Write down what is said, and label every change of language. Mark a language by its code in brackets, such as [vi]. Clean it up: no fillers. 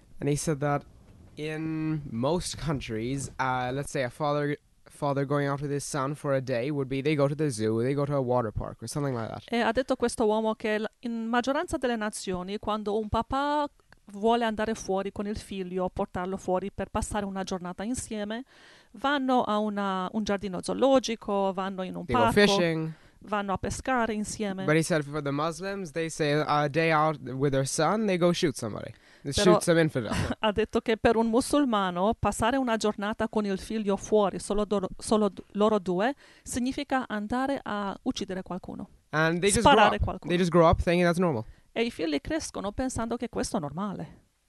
[en] And he said that in most countries, let's say a father going out with his son for a day would be they go to the zoo, they go to a water park or something like that. [it] E ha detto questo uomo che in maggioranza delle nazioni quando un papà vuole andare fuori con il figlio, portarlo fuori per passare una giornata insieme, vanno a un giardino zoologico, vanno in un parco, [en] fishing, [it] vanno a pescare insieme. [en] But he said for the Muslims, they say a day out with their son, they go shoot somebody. They shoot some infidel. [it] Ha detto che per un musulmano passare una giornata con il figlio fuori, solo loro due, significa andare a uccidere qualcuno. [en] And they just [it] sparare qualcuno. [en] They just grow up thinking that's normal. [it] E i figli crescono pensando che questo è normale.